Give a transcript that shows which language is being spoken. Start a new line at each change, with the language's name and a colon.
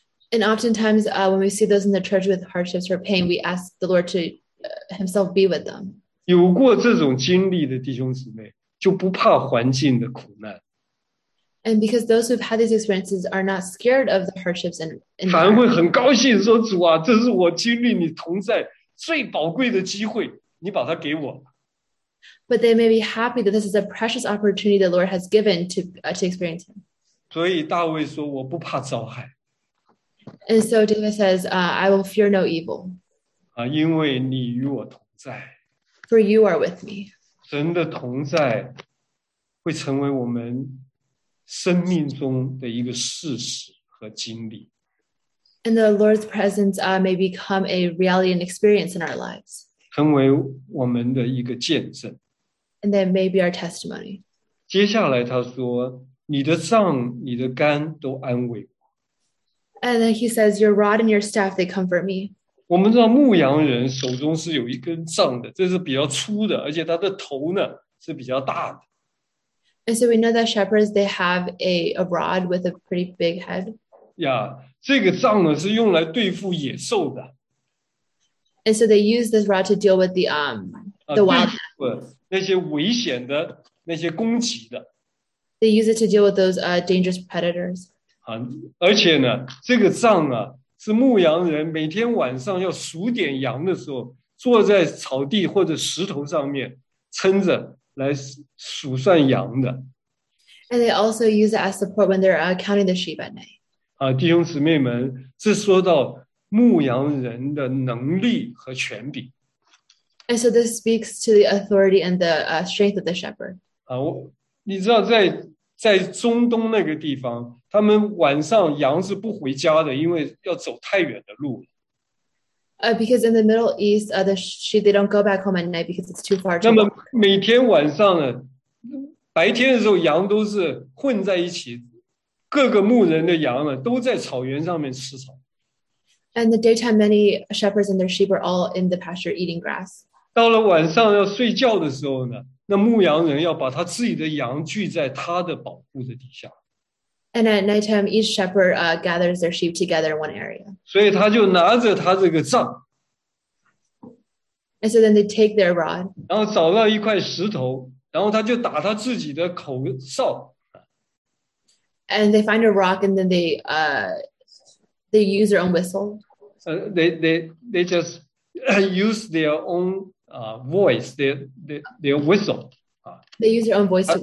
English: And oftentimes, when we see those in the church with hardships or pain, we ask the Lord to himself be with them.
Chinese: 有过这种经历的弟兄姊妹，就不怕环境的苦难，
English: And because those who've had these experiences are not scared of the hardships and
Chinese: 反而会
English: environment.
Chinese: 很高兴说：“主啊，这是我经历你同在最宝贵的机会，你把它给我了。
English: But they may be happy that this is a precious opportunity the Lord has given to experience him.
Chinese: ”所以大卫说：“我不怕遭害。
English: And so David says, I will fear no evil.
Chinese: ”因为你与我同在。
English: For you are with me.
Chinese: 神的同在会成为我们生命中的一个事实和经历。
English: And the Lord's presence may become a reality and experience in our lives.
Chinese: 成为我们的一个见证。
English: And that may be our testimony.
Chinese: 接下来他说：“你的杖、你的竿都安慰
English: And then he says, Your rod and your staff, they comfort me.
Chinese: 我。”我们知道牧羊人手中是有一根杖的，这是比较粗的，而且他的头呢是比较大的。
English: And so we know that shepherds, they have a rod with a pretty big head.
Chinese: 这个杖呢是用来对付野兽的，
English: And so they use this rod to deal with the
Chinese: 对
English: wild
Chinese: 付那些危险的、那些攻击的。
English: animals. They use it to deal with those dangerous predators.
Chinese: 而且呢，这个杖啊，是牧羊人每天晚上要数点羊的时候，坐在草地或者石头上面撑着来数算羊的。
English: And they also use it as support when they're counting the sheep at night.
Chinese: 弟兄姊妹们，这说到牧羊人的能力和权柄。
English: And so this speaks to the authority and the strength of the shepherd.
Chinese: 你知道在中东那个地方，他们晚上羊是不回家的，因为要走太远的路。
English: Because in the Middle East, the sheep they don't go back home at night because it's too far
Chinese: 那
English: to
Chinese: 么
English: walk.
Chinese: 每天晚上呢，白天的时候羊都是混在一起。各个牧人的羊呢，都在草原上面吃草。
English: And the daytime, many shepherds and their sheep are all in the pasture eating grass.
Chinese: 到了晚上要睡觉的时候呢，那牧羊人要把他自己的羊聚在他的保护的底下。
English: And at nighttime, each shepherd gathers their sheep together in one area.
Chinese: 所以他就拿着他这个杖。
English: And so then they take their rod.
Chinese: 然后找到一块石头，然后他就打他自己的口哨。
English: And they find a rock, and then they use their own whistle. They just use their own voice, their whistle. They use their own voice to whistle.